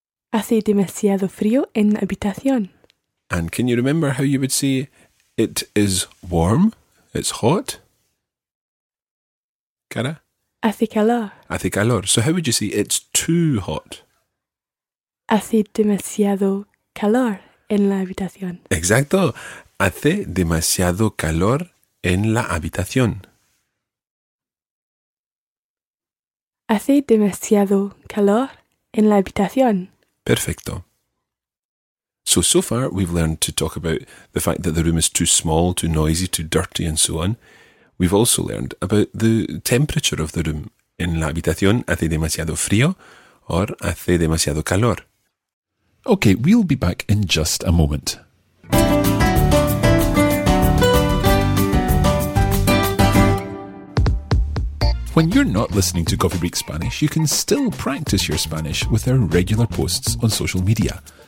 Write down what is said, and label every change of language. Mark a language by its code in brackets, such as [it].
[en] Hace demasiado frío en la habitación. And can you remember how you would say it is warm? It's hot? Cara? [es] Hace calor. Hace calor. [en] So how would you say it's too hot? [es] Hace demasiado calor en la habitación. Exacto. Hace demasiado calor en la habitación. Hace demasiado calor en la habitación. Perfecto. [en] So far we've learned to talk about the fact that the room is too small, too noisy, too dirty and so on. We've also learned about the temperature of the room. [es] En la habitación hace demasiado frío or hace demasiado calor. [en] Okay, we'll be back in just a moment. When you're not listening to Coffee Break Spanish, you can still practice your Spanish with our regular posts on social media.